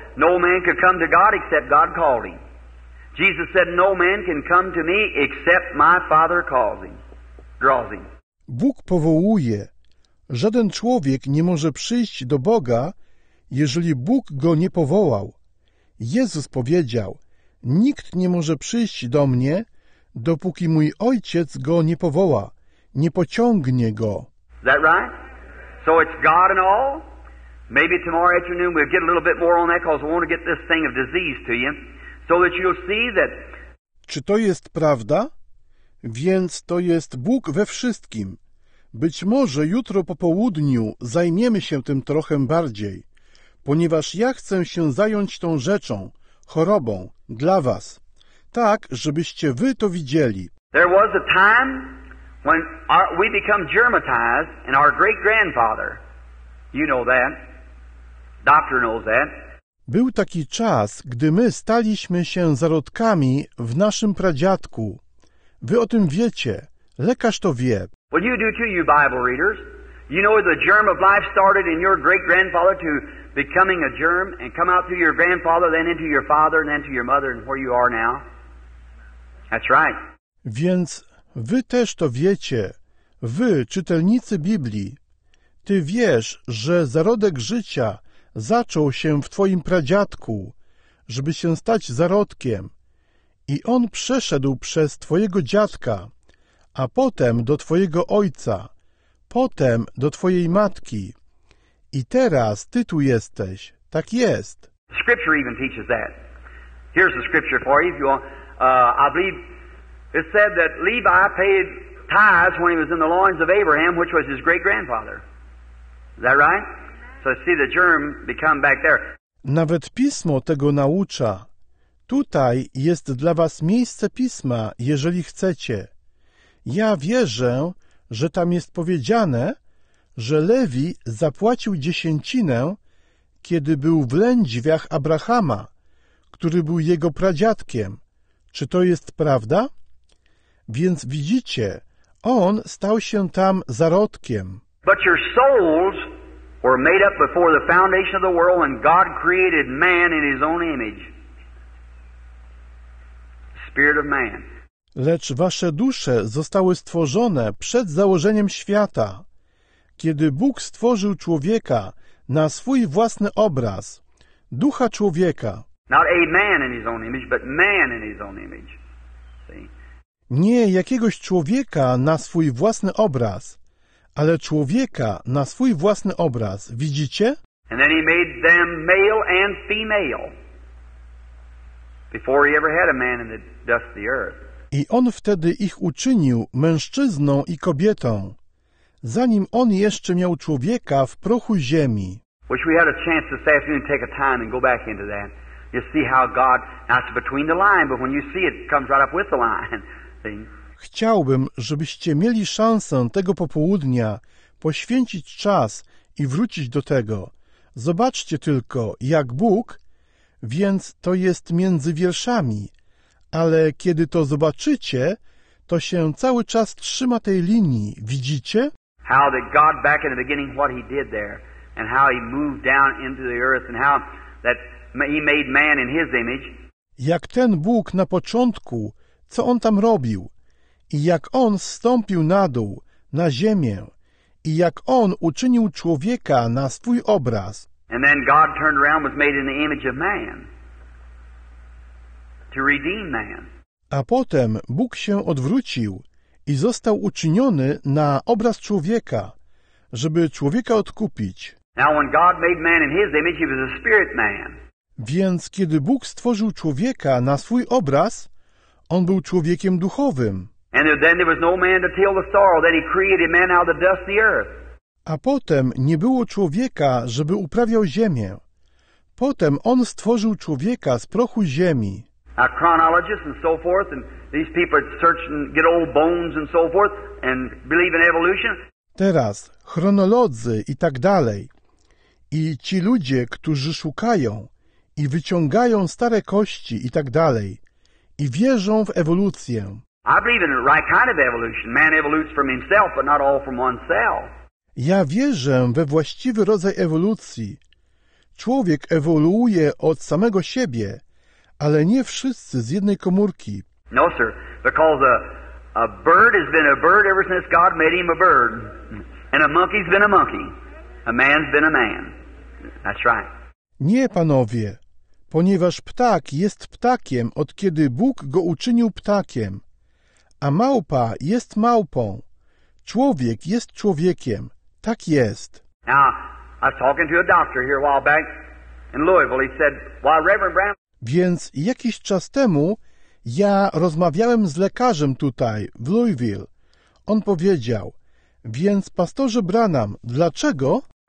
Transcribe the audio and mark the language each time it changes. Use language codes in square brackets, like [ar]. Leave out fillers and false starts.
[en] No man can come to God except God called him. Jesus said, no man can come to me except my Father calls him, draws him. [pl] Bóg powołuje. Żaden człowiek nie może przyjść do Boga, jeżeli Bóg go nie powołał. Jezus powiedział, nikt nie może przyjść do mnie, dopóki mój ojciec go nie powoła, nie pociągnie go. [en] Is that right? So it's God and all? Maybe tomorrow afternoon we'll get a little bit more on that because we want to get this thing of disease to you. So that you'll see that... [pl] Czy to jest prawda? Więc to jest Bóg we wszystkim. Być może jutro po południu zajmiemy się tym trochę bardziej, ponieważ ja chcę się zająć tą rzeczą, chorobą, dla was, tak, żebyście wy to widzieli. [en] There was a time when we become germatized and our great-grandfather, you know that, doctor knows that. [pl] Był taki czas, gdy my staliśmy się zarodkami w naszym pradziadku. Wy o tym wiecie, lekarz to wie. [en] Well, you do too, you Bible readers. You know the germ of life started in your great-grandfather to becoming a germ and come out through your grandfather, then into your father, and then to your mother, and where you are now. That's right. [pl] Więc wy też to wiecie, wy, czytelnicy Biblii. Ty wiesz, że zarodek życia zaczął się w twoim pradziadku, żeby się stać zarodkiem. I on przeszedł przez twojego dziadka, a potem do twojego ojca, potem do twojej matki. I teraz ty tu jesteś. Tak jest. [en] Scripture even teaches that. Here's the scripture for you. If you want, I believe it said that Levi paid tithes when he was in the loins of Abraham, which was his great-grandfather. Is that right? So see the germ become back there. [pl] Nawet Pismo tego naucza. Tutaj jest dla was miejsce Pisma, jeżeli chcecie. Ja wierzę, że tam jest powiedziane, że Lewi zapłacił dziesięcinę, kiedy był w lędźwiach Abrahama, który był jego pradziadkiem. Czy to jest prawda? Więc widzicie, on stał się tam zarodkiem. [en] But your souls were made up before the foundation of the world when God created man in his own image. spirit of man. [pl] Lecz wasze dusze zostały stworzone przed założeniem świata. Kiedy Bóg stworzył człowieka na swój własny obraz, ducha człowieka. [en] Not a man in his own image, but man in his own image. See? [pl] Nie jakiegoś człowieka na swój własny obraz, ale człowieka na swój własny obraz. Widzicie? [en] And then he made them male and female. Before he ever had a man in the dust of the earth. [pl] I on wtedy ich uczynił mężczyzną i kobietą, zanim on jeszcze miał człowieka w prochu ziemi. [en] Which we had a chance this afternoon to take a time and go back into that. You see how God, now it's between the line, but when you see it, it comes right up with the line. [pl] Chciałbym, żebyście mieli szansę tego popołudnia poświęcić czas i wrócić do tego. Zobaczcie tylko, jak Bóg, więc to jest między wierszami, ale kiedy to zobaczycie, to się cały czas trzyma tej linii. Widzicie? [en] How did God back in the beginning what he did there and how he moved down into the earth and how that he made man in his image. [pl] Jak ten Bóg na początku, co on tam robił i jak on zstąpił na dół, na ziemię i jak on uczynił człowieka na swój obraz. [en] And then God turned around was made in the image of man. To redeem man. [pl] A potem Bóg się odwrócił i został uczyniony na obraz człowieka, żeby człowieka odkupić. [en] Now when God made man in his image, he was a spirit man. [pl] Więc kiedy Bóg stworzył człowieka na swój obraz, on był człowiekiem duchowym. [en] And then there was no man to till the soil, then he created man out of the dust of the earth. [pl] A potem nie było człowieka, żeby uprawiał ziemię. Potem on stworzył człowieka z prochu ziemi. [en] A chronologist and so forth and these people search and get old bones and so forth and believe in evolution. [pl] Teraz chronolodzy i tak dalej. I ci ludzie, którzy szukają i wyciągają stare kości i tak dalej i wierzą w ewolucję. [en] I believe in the right kind of evolution. Man evolutes from himself, but not all from one cell. [pl] Ja wierzę we właściwy rodzaj ewolucji. Człowiek ewoluuje od samego siebie, ale nie wszyscy z jednej komórki. [en] No, sir, because a bird has been a bird ever since God made him a bird. And a monkey's been a monkey. A man's been a man. That's right. [pl] Nie, panowie, ponieważ ptak jest ptakiem, od kiedy Bóg go uczynił ptakiem. A małpa jest małpą. Człowiek jest człowiekiem. Tak jest. [en] Now, I was talking to a doctor here a while back in Louisville. He said, why, Reverend Brown... [pl] Więc jakiś czas temu ja rozmawiałem z lekarzem tutaj, w Louisville. On powiedział, więc pastorze Branham, dlaczego?